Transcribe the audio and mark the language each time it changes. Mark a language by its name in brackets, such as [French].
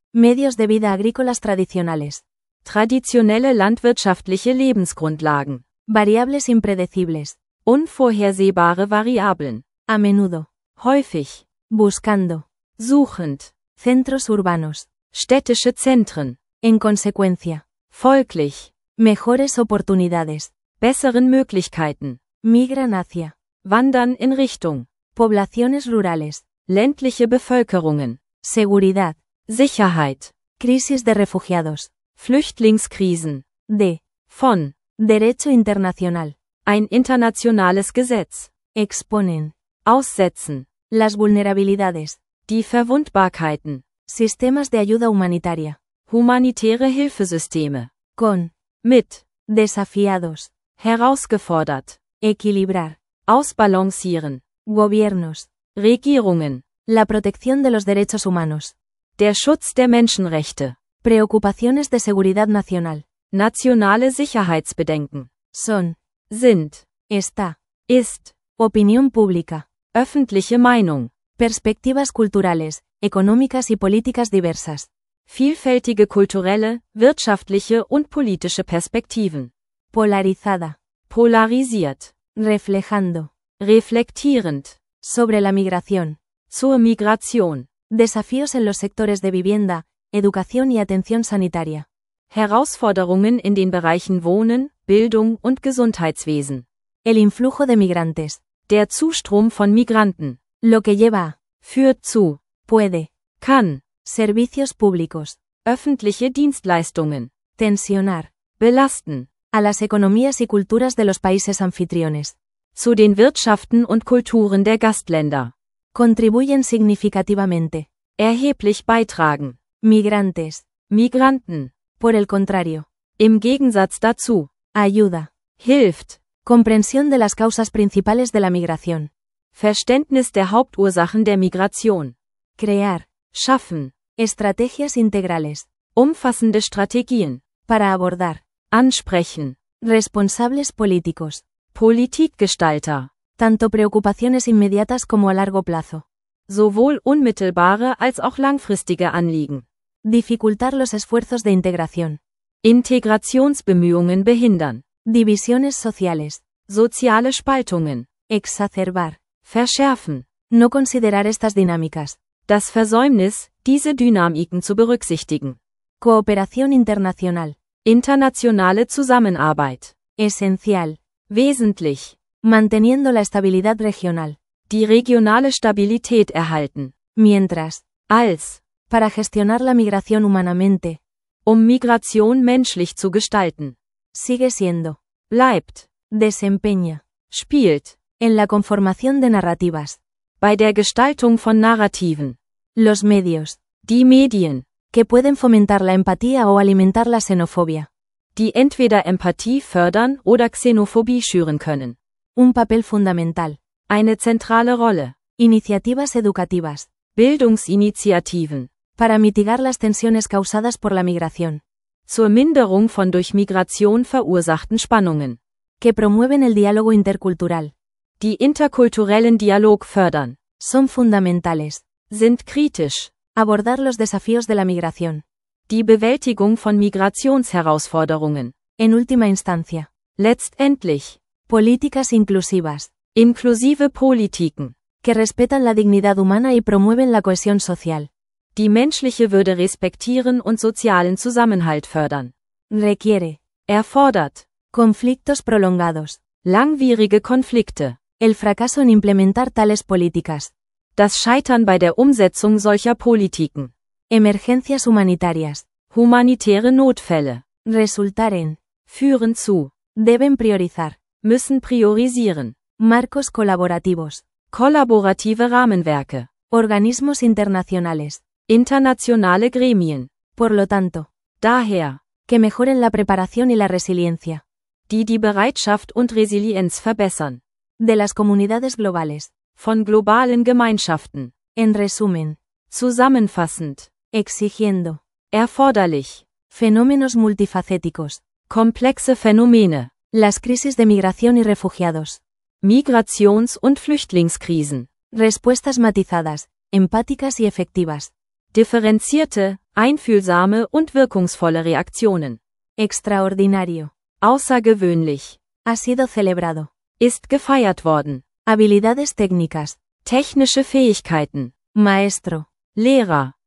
[Spanish] Medios de vida agrícolas tradicionales. [German] Traditionelle landwirtschaftliche Lebensgrundlagen. [Spanish] Variables impredecibles. [German] Unvorhersehbare Variablen. [Spanish] A menudo. [German] Häufig. [Spanish] Buscando. [German] Suchend. [Spanish] Centros urbanos. [German] Städtische Zentren. [Spanish] En consecuencia. [German] Folglich. [Spanish] Mejores oportunidades. [German] Besseren Möglichkeiten. [Spanish] Migran hacia. [German] Wandern in Richtung. [Spanish] Poblaciones rurales. [German] Ländliche Bevölkerungen. [Spanish] Seguridad. [German] Sicherheit. [Spanish] Crisis de refugiados. [German] Flüchtlingskrisen. [Spanish] De. [German] Von. [Spanish] Derecho internacional. [German] Ein internationales Gesetz. [Spanish] Exponen. [German] Aussetzen. [Spanish] Las vulnerabilidades. [German] Die Verwundbarkeiten. [Spanish] Sistemas de ayuda humanitaria. [German] Humanitäre Hilfesysteme. [Spanish] Con. [German] Mit. [Spanish] Desafiados. [German] Herausgefordert. [Spanish] Equilibrar. [German] Ausbalancieren. [Spanish] Gobiernos. [German] Regierungen. [Spanish] La protección de los derechos humanos. [German] Der Schutz der Menschenrechte. [Spanish] Preocupaciones de seguridad nacional. [German] Nationale Sicherheitsbedenken. [Spanish] Son. [German] Sind. [Spanish] Está. [German] Ist. [Spanish] Opinión pública. [German] Öffentliche Meinung. [Spanish] Perspektivas culturales, económicas y políticas diversas. [German] Vielfältige kulturelle, wirtschaftliche und politische Perspektiven. [Spanish] Polarizada. [German] Polarisiert. [Spanish] Reflejando. [German] Reflektierend. [Spanish] Sobre la migración. [German] Zur Migration. [Spanish] Desafíos en los sectores de vivienda, educación y atención sanitaria. [German] Herausforderungen in den Bereichen Wohnen, Bildung und Gesundheitswesen. [Spanish] El influjo de migrantes. [German] Der Zustrom von Migranten. [Spanish] Lo que lleva. [German] Führt zu. [Spanish] Puede. [German] Kann. [Spanish] Servicios públicos. [German] Öffentliche Dienstleistungen. [Spanish] Tensionar. [German] Belasten. [Spanish] A las economías y culturas de los países anfitriones. [German] Zu den Wirtschaften und Kulturen der Gastländer. [Spanish] Contribuyen significativamente. [German] Erheblich beitragen. [Spanish] Migrantes. [German] Migranten. [Spanish] Por el contrario. [German] Im Gegensatz dazu. [Spanish] Ayuda. [German] Hilft. [Spanish] Comprensión de las causas principales de la migración. [German] Verständnis der Hauptursachen der Migration. [Spanish] Crear. [German] Schaffen. [Spanish] Estrategias integrales. [German] Umfassende Strategien. [Spanish] Para abordar. [German] Ansprechen. [Spanish] Responsables políticos. [German] Politikgestalter. [Spanish] Tanto preocupaciones inmediatas como a largo plazo. [German] Sowohl unmittelbare als auch langfristige Anliegen. [Spanish] Dificultar los esfuerzos de integración. [German] Integrationsbemühungen behindern. [Spanish] Divisiones sociales. [German] Soziale Spaltungen. [Spanish] Exacerbar. [German] Verschärfen. [Spanish] No considerar estas dinámicas. [German] Das Versäumnis, diese Dynamiken zu berücksichtigen. [Spanish] Cooperación internacional. [German] Internationale Zusammenarbeit. [Spanish] Esencial. [German] Wesentlich. [Spanish] Manteniendo la estabilidad regional. [German] Die regionale Stabilität erhalten. [Spanish] Mientras. [German] Als. [Spanish] Para gestionar la migración humanamente. [German] Um Migration menschlich zu gestalten. [Spanish] Sigue siendo. [German] Bleibt. [Spanish] Desempeña. [German] Spielt. [Spanish] En la conformación de narrativas. [German] Bei der Gestaltung von Narrativen. [Spanish] Los medios. [German] Die Medien, [Spanish] que pueden fomentar la empatía o alimentar la xenofobia. [German] Die entweder Empathie fördern oder Xenophobie schüren können. [Spanish] Un papel fundamental. [German] Eine zentrale Rolle. [Spanish] Iniciativas educativas. [German] Bildungsinitiativen. [Spanish] Para mitigar las tensiones causadas por la migración. [German] Zur Minderung von durch Migration verursachten Spannungen. [Spanish] Que promueven el diálogo intercultural. [German] Die interkulturellen Dialog fördern. [Spanish] Son fundamentales. [German] Sind kritisch. [Spanish] Abordar los desafíos de la migración. [German] Die Bewältigung von Migrationsherausforderungen. [Spanish] En última instancia. [German] Letztendlich. [Spanish] Políticas inclusivas. [German] Inklusive Politiken. [Spanish] Que respetan la dignidad humana y promueven la cohesión social. [German] Die menschliche Würde respektieren und sozialen Zusammenhalt fördern. [Spanish] Requiere. [German] Erfordert. [Spanish] Conflictos prolongados. [German] Langwierige Konflikte. [Spanish] El fracaso en implementar tales políticas. [German] Das Scheitern bei der Umsetzung solcher Politiken. [Spanish] Emergencias humanitarias. [German] Humanitäre Notfälle. [Spanish] Resultar en. [German] Führen zu. [Spanish] Deben priorizar. [German] Müssen priorisieren. [Spanish] Marcos colaborativos. [German] Kollaborative Rahmenwerke. [Spanish] Organismos internacionales. [German] Internationale Gremien. [Spanish] Por lo tanto. [German] Daher. [Spanish] Que mejoren la preparación y la resiliencia. [German] Die Bereitschaft und Resilienz verbessern. [Spanish] De las comunidades globales. [German] Von globalen Gemeinschaften. [Spanish] En resumen. [German] Zusammenfassend. [Spanish] Exigiendo. [German] Erforderlich. [Spanish] Fenómenos multifacéticos. [German] Komplexe Phänomene. [Spanish] Las crisis de migración y refugiados. [German] Migrations- und Flüchtlingskrisen. [Spanish] Respuestas matizadas, empáticas y efectivas. [German] Differenzierte, einfühlsame und wirkungsvolle Reaktionen. [Spanish] Extraordinario. [German] Außergewöhnlich. [Spanish] Ha sido celebrado. [German] Ist gefeiert worden. [Spanish] Habilidades técnicas. [German] Technische Fähigkeiten. [Spanish] Maestro. [German] Lehrer.